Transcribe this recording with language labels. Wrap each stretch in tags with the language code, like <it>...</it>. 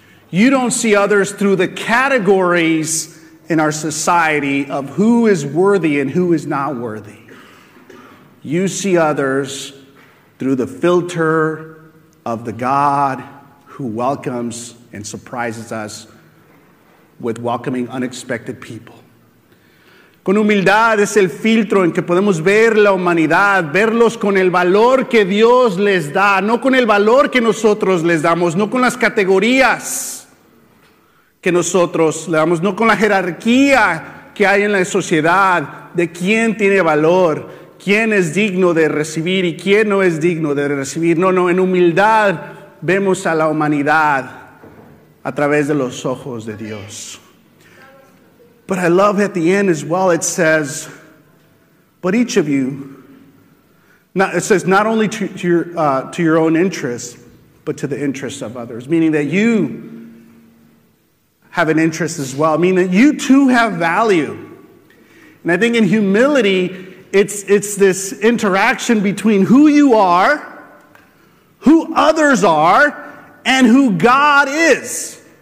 <en>You don't see others through the categories in our society of who is worthy and who is not worthy. You see others through the filter of the God who welcomes and surprises us with welcoming unexpected people.</en> <es>Con humildad es el filtro en que podemos ver la humanidad, verlos con el valor que Dios les da, no con el valor que nosotros les damos, no con las categorías que nosotros le damos, no con la jerarquía que hay en la sociedad de quién tiene valor, quién es digno de recibir y quién no es digno de recibir. No, en humildad vemos a la humanidad a través de los ojos de Dios.</es> <en>But I love at the end as well, it says, but each of you, it says not only to your own interest, but to the interest of others, meaning that you have an interest as well. I mean that you too have value. And I think in humility, it's this interaction between who you are, who others are, and who God is.</en>